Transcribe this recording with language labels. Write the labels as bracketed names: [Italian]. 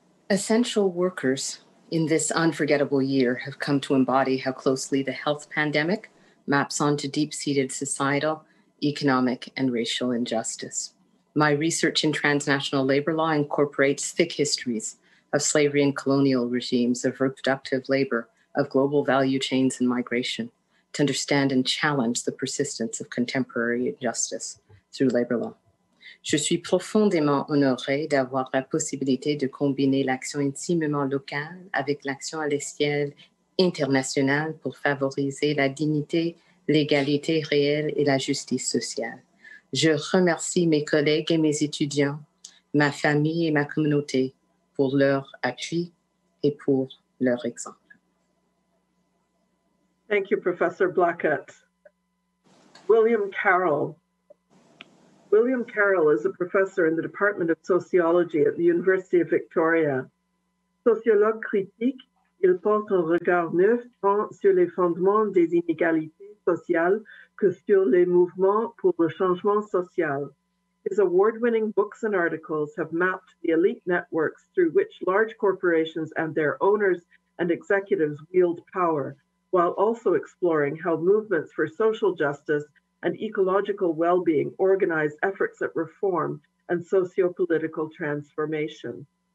[English] Essential workers in this unforgettable year have come to embody how closely the health pandemic maps onto deep-seated societal, economic, and racial injustice. My research in transnational labor law incorporates thick histories of slavery and colonial regimes, of reproductive labor, of global value chains and migration, to understand and challenge the persistence of contemporary injustice through labor law. [French] Je suis profondément honoré d'avoir la possibilité de combiner l'action intimement locale avec l'action à l'échelle internationale pour favoriser la dignité, l'égalité réelle et la justice sociale. Je remercie mes collègues et mes étudiants, ma famille et ma communauté pour leur appui et pour leur exemple. [English] Thank you, Professor Blackett. William Carroll. William Carroll is a professor in the Department of Sociology at the University of Victoria. [French] Sociologue critique, il porte un regard neuf tant sur les fondements des inégalités sociales que sur les mouvements pour le changement social. [English] His award-winning books and articles have mapped the elite networks through which large corporations and their owners and executives wield power, while also exploring how movements for social justice and ecological well-being organize efforts at reform and socio-political transformation.